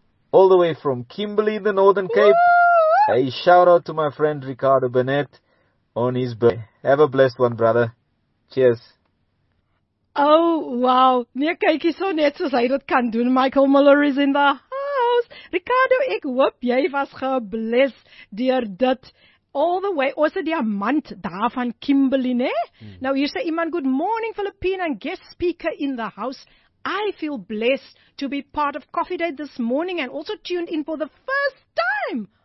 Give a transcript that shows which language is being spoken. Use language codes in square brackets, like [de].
[en] All the way from Kimberley, the Northern Cape. Woo! A shout out to my friend Ricardo Burnett on his birthday. Have a blessed one, brother. Cheers. Oh, wow. [af] Nee, kyk hier so net soos hy dit kan doen. Michael Muller [en] is in the house. [af] Ricardo, ek hoop jy was gebless deur dit. [en] All the way, [af] ons het diamant daar van Kimberley, ne? Nou hier sê iemand, [en] good morning Philippine and guest speaker in the house. I feel blessed to be part of Coffee Date this morning and also tuned in for the first time.